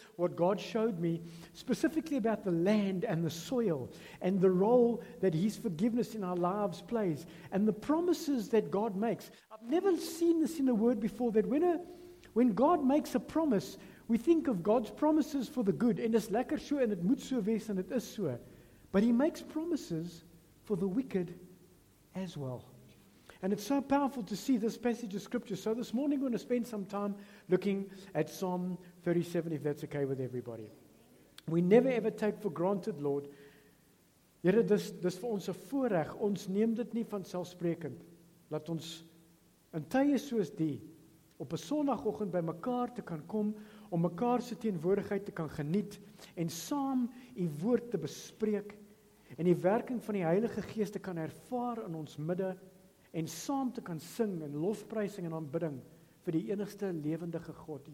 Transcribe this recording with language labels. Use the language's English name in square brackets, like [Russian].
[English] what God showed me, specifically about the land and the soil and the role that His forgiveness in our lives plays and the promises that God makes. I've never seen this in the Word before, that when God makes a promise, we think of God's promises for the good. [Afrikaans] En is lekker so en het moet so wees en het is so. [English] But He makes promises for the wicked as well. And it's so powerful to see this passage of Scripture. So this morning we're going to spend some time looking at Psalm 37, if that's okay with everybody. We never ever take for granted, Lord. [Afrikaans] Here, dis vir ons 'n voorreg. Ons neem dit nie vanselfsprekend. Laat ons in tye soos die op 'n Sondagoggend by mekaar te kan kom, om mekaar se teenwoordigheid te kan geniet en saam U woord te bespreek en die werking van die Heilige Gees te kan ervaar in ons midde en saam te kan sing in lofprysing en aanbidding vir die enigste lewendige God.